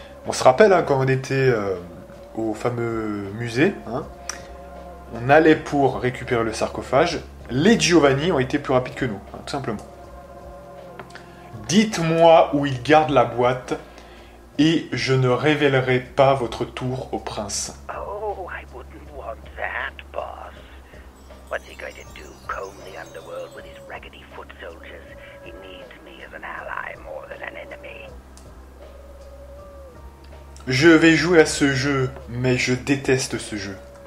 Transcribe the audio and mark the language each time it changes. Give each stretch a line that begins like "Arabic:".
French: On se rappelle, hein, quand on était au fameux musée, hein, on allait pour récupérer le sarcophage. Les Giovanni ont été plus rapides que nous, hein, tout simplement. Dites-moi où ils gardent la boîte. Et je ne révélerai pas votre tour au prince.
English: Oh, I wouldn't want that, boss. What's he going to do? Comb the underworld with his raggedy foot soldiers? He needs me as an ally more than an enemy.
French: Je vais jouer à ce jeu, mais je déteste ce jeu.